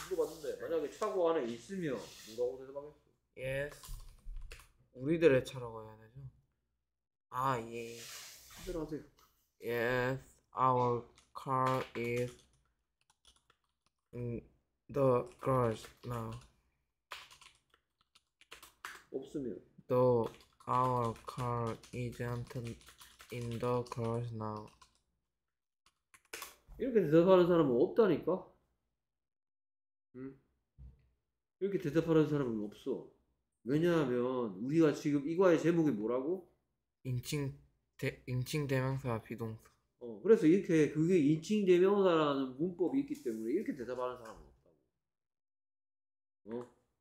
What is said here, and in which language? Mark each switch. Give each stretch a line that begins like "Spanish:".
Korean: 물어봤는데 만약에 차고 안에 있으면 뭐라고 대답하겠어?
English: Yes.
Korean: 우리들의 차라고 해야 되죠? 아, 예. 제대로 하세요.
English: Yes. Our car is in the garage now.
Korean: 없으면
English: Our car isn't in the garage now.
Korean: 이렇게 대답하는 사람은 없다니까? 응? 이렇게 대답하는 사람은 없어. 왜냐하면 우리가 지금 이 과의 제목이 뭐라고? 인칭 대명사 비동사. 그래서 이렇게 그게 인칭 대명사라는 문법이 있기 때문에 이렇게 대답하는 사람은 없다고.